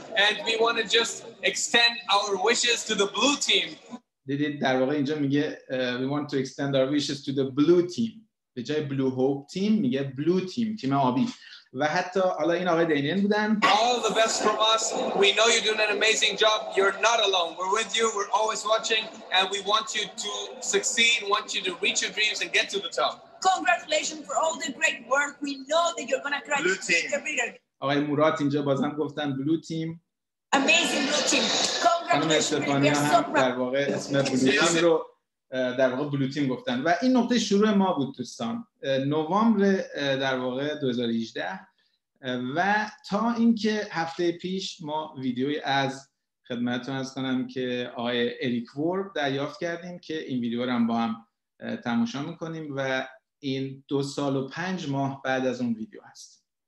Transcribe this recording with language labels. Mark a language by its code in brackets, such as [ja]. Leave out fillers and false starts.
[en] And we want to just extend our wishes to the blue team. [fa] در واقع اینجا میگه [en] we want to extend our wishes to the blue team. [fa] به جای blue hope team میگه blue team، تیم آبی. و حتی حالا این آقای دینیل بودن. [en] All the best from us. We know you're doing an amazing job. You're not alone. We're with you. We're always watching. And we want you to succeed. We want you to reach your dreams and get to the top. Congratulations for all the great work. We know that you're gonna crush it. Blue team. [fa] آقای مراد اینجا بازم گفتن blue team. [en] Amazing blue team. Congratulations. [fa] در واقع اسم بلو تیم رو در واقع بلو تیم گفتن و این نقطه شروع ما بود دوستان، نوامبر در واقع 2018 و تا اینکه هفته پیش ما ویدیوی از خدمتتون عرض کنم که آقای اریک ورب دریافت کردیم که این ویدیو رو هم با هم تماشا میکنیم و این 2 سال و 5 ماه بعد از اون ویدیو هست.